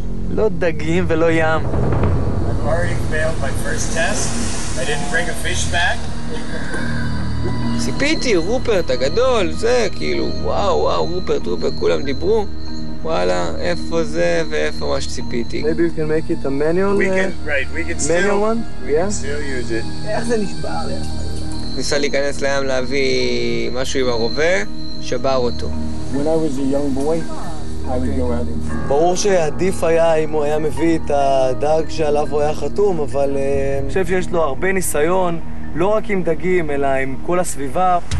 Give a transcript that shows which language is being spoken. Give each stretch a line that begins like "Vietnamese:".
Hebrew: לא דגים ולא ים.
English: I've already failed my first test. I didn't bring a fish back.
Hebrew: סיפיתי, רופרט הגדול, זה כאילו, וואו, וואו, רופרט, רופרט, כולם דיברו. וואלה, איפה זה ואיפה מה שציפיתי.
English: Maybe you can make it a manual one? We can still use it.
Hebrew: איך זה נשבר? ניסה להיכנס לים להביא משהו עם הרובה, שבר אותו.
English: When I was a young boy,
Hebrew: ברור שעדיף היה אם הוא היה מביא את הדג שעליו הוא היה חתום, אבל... אני חושב שיש לו הרבה ניסיון, לא רק עם דגים, אלא עם כל הסביבה.